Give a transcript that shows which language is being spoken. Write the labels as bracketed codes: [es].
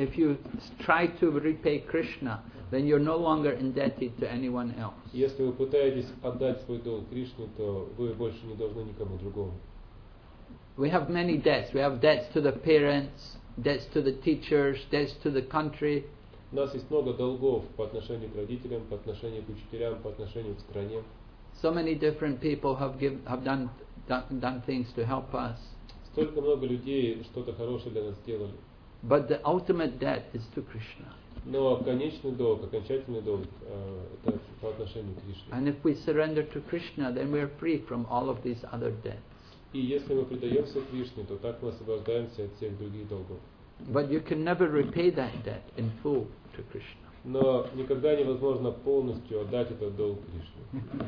[en] If you try to repay Krishna, then you're no longer indebted to anyone else. [ru] Если вы пытаетесь отдать свой долг Кришне, то вы больше не должны никому другому. [en] We have many debts. We have debts to the parents, debts to the teachers, debts to the country. [ru] У нас есть много долгов по отношению к родителям, по отношению к учителям, по отношению к стране. [en] So many different people have done things to help us. [ru] Столько много людей что-то хорошее для нас сделали. [en] But the ultimate debt is to Krishna. [ru] Но конечный долг, окончательный долг, это по отношению к Кришне. [en] And if we surrender to Krishna, then we are free from all of these other debts. [ru] И если мы предаемся Кришне, то так мы освобождаемся от всех других долгов. [en] But you can never repay that debt in full to Krishna. [ru] Но никогда невозможно полностью отдать этот долг Кришне.